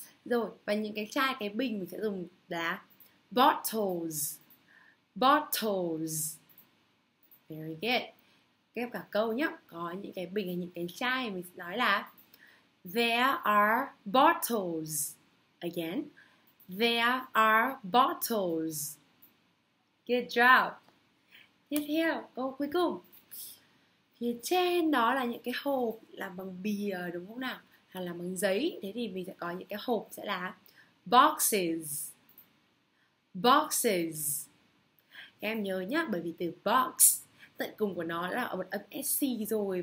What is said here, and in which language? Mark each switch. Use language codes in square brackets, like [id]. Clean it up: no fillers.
[vi] Rồi, và những cái chai, cái bình mình sẽ dùng là bottles. [en] Bottles. Very good. [vi] Ghép cả câu nhé. Có những cái bình hay những cái chai mình sẽ nói là [en] there are bottles. Again, there are bottles. Good job. [vi] Tiếp theo, câu cuối cùng. Phía trên đó là những cái hộp làm bằng bìa đúng không nào? Hay là bằng giấy, thế thì mình sẽ có những cái hộp sẽ là boxes. Boxes. Các em nhớ nhá, bởi vì từ box tận cùng của nó là ở một âm SC rồi.